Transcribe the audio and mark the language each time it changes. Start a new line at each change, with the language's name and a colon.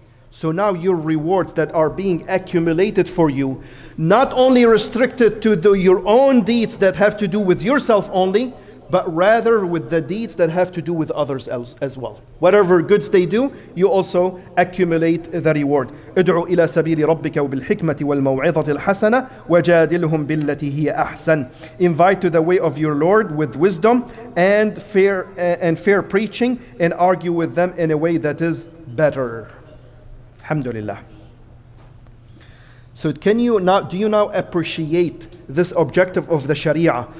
English: So now your rewards that are being accumulated for you, not only restricted to your own deeds that have to do with yourself only, but rather with the deeds that have to do with others as well. Whatever goods they do, you also accumulate the reward.
Arabic: ادعوا إلى سبيل ربك وبالحكمة والموعظة الحسنة وجادلهم بالتي هي أحسن.
English: Invite to the way of your Lord with wisdom and fair preaching and argue with them in a way that is better. Alhamdulillah. So do you now appreciate this objective of the Sharia?